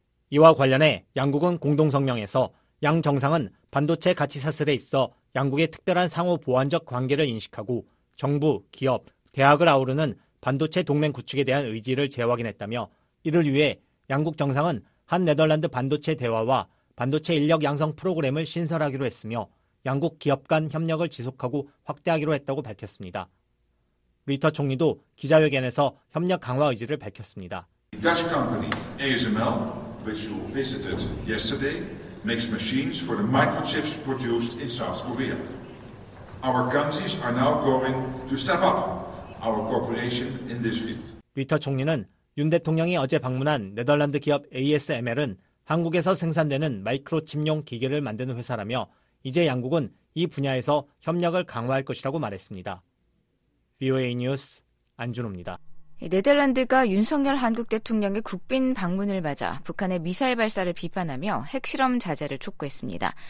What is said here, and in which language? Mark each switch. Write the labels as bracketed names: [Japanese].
[Korean] 이와 관련해 양국은 공동성명에서 양 정상은 반도체 가치 사슬에 있어 양국의 특별한 상호 보완적 관계를 인식하고 정부, 기업, 대학을 아우르는 반도체 동맹 구축에 대한 의지를 재확인했다며 이를 위해 양국 정상은 한 네덜란드 반도체 대화와 반도체 인력 양성 프로그램을 신설하기로 했으며 양국 기업 간 협력을 지속하고 확대하기로 했다고 밝혔습니다. 리터 총리도 기자회견에서 협력 강화 의지를 밝혔습니다. [English] Dutch company ASML, which you visited yesterday, makes machines for the microchips produced in South Korea. Our countries are now going to step up our cooperation in this field. [Korean] 리터 총리는 윤 대통령이 어제 방문한 네덜란드 기업 ASML은 한국에서 생산되는 마이크로칩용 기계를 만드는 회사라며 이제 양국은 이 분야에서 협력을 강화할 것이라고 말했습니다. VOA 뉴스 안준호입니다. 네덜란드가 윤석열 한국 대통령의 국빈 방문을 맞아 북한의 미사일 발사를 비판하며 핵실험 자제를 촉구했습니다.